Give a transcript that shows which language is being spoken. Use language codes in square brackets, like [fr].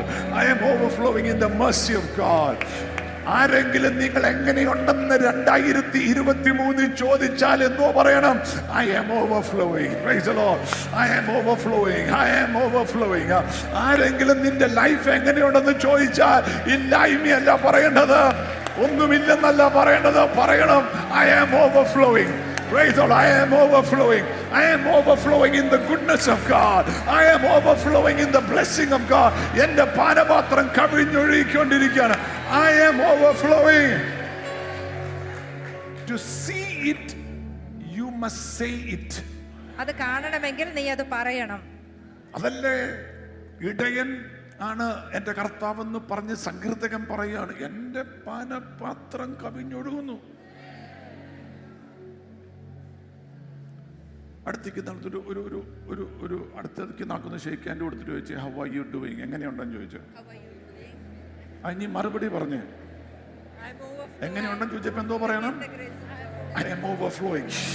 [en] I am overflowing in God's grace, in the peace of God, in the joy of the Holy Spirit, in the goodness of God, in the mercy of God. [ml] ആരെങ്കിലും നിങ്ങൾ എങ്ങനെയുണ്ടെന്ന് 2023 ചോദിച്ചാൽ എന്തോ പറയണം [en] I am overflowing praise the Lord I am overflowing [ml] ആരെങ്കിലും നിന്റെ life എങ്ങനെയുണ്ടെന്ന് ചോദിച്ചാൽ ഇല്ലായ്മയല്ല പറയേണ്ടത് ഒന്നുമില്ലെന്നല്ല പറയേണ്ടത് പറയണം I am overflowing [en] Praise the Lord, I am overflowing in the goodness of God. I am overflowing in the blessing of God. [ml] എൻ്റെ പാനപാത്രം കവിഞ്ഞൊഴുകിക്കൊണ്ടിരിക്കുകയാണ്. [en] I am overflowing. To see it, you must say it. [ml] അത് കാണണമെങ്കിൽ നീ അത് പറയണം. അതല്ലേ ഇടയൻ ആണ് എൻ്റെ കർത്താവ് എന്ന് പറഞ്ഞ് സങ്കീർത്തകൻ പറയുകയാണ് എൻ്റെ പാനപാത്രം കവിഞ്ഞൊഴുകുന്നു അടുത്തേക്ക് നടത്തിട്ട് ഒരു ഒരു ഒരു ഒരു അടുത്തേക്ക് നടക്കുന്ന ഷേക്ക് ഹാൻഡ് കൊടുത്തിട്ട് ചോദിച്ചു [en] how are you doing [ml] എങ്ങനെയുണ്ടെന്ന് ചോദിച്ചു അനി മറുപടി പറഞ്ഞു എങ്ങനെയുണ്ടെന്ന് ചോദിച്ചപ്പോ എന്തോ പറയണം [en] I am overflowing